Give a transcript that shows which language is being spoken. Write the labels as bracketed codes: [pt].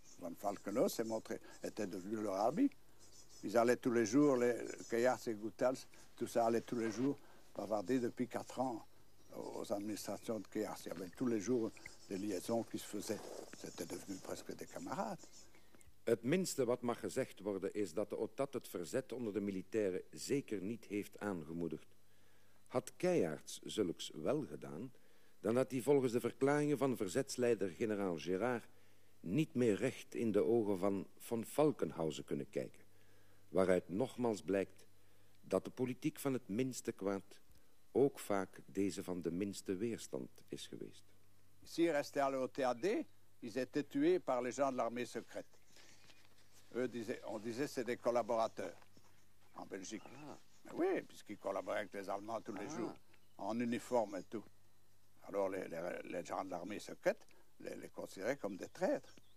[fr] Van Valkenhout s'est montré, était devenu leur ami. Ils allaient tous les jours, Keijaerts et Goethals, tout ça allait tous les jours, bavarder depuis 4 ans aux administrations de Keijaerts. Il y avait tous les jours des liaisons qui se faisaient. C'était devenu presque des camarades. [nl] Het minste wat mag gezegd worden is dat de OTAT het verzet onder de militairen zeker niet heeft aangemoedigd. Had Keijaerts zulks wel gedaan, dan had hij volgens de verklaringen van verzetsleider generaal Gérard niet meer recht in de ogen van Van Valkenhausen kunnen kijken. Waaruit nogmaals blijkt dat de politiek van het minste kwaad ook vaak deze van de minste weerstand is geweest. [fr] S'ils restaient à l'OTAD, ils étaient tués par les gens de l'armée secrète. Eux disaient, on disait c'est des collaborateurs en Belgique. Ah. Mais oui, puisqu'ils collaboraient avec les Allemands tous les jours, en uniforme et tout. Alors les gens de l'armée secrète les considéraient comme des traîtres.